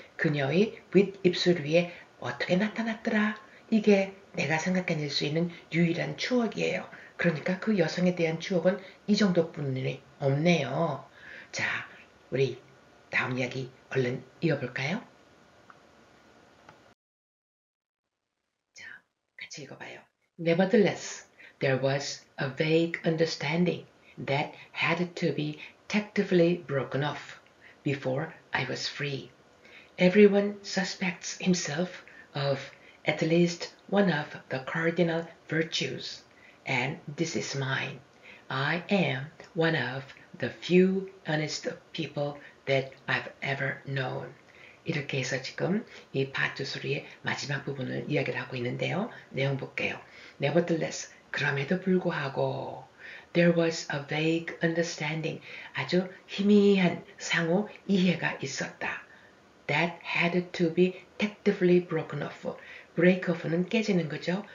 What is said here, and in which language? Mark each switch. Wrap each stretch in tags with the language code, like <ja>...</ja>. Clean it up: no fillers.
<ko>그녀의 윗입술 위에 어떻게 나타났더라. 이게 내가 생각해낼 수 있는 유일한 추억이에요. 그러니까 그 여성에 대한 추억은 이 정도뿐이 없네요. 자, 우리 다음 이야기 얼른 이어볼까요? 같이 읽어봐요.</ko> <en>Nevertheless, there was a vague understanding that had to be tactfully broken off. before I was free. Everyone suspects himself of at least one of the cardinal virtues, and this is mine. I am one of the few honest people that I've ever known.</en> <ko>이렇게 해서 지금 이 파트 소리의 마지막 부분을 이야기를 하고 있는데요. 내용 볼게요.</ko> <en>Nevertheless,</en> <ko>그럼에도 불구하고,</ko> <en>there was a vague understanding,</en> <ko>아주 희미한 상호 이해가 있었다.</ko> <en>That had to be tactfully broken off. Break off는</en> <ko>깨지는 거죠.</ko>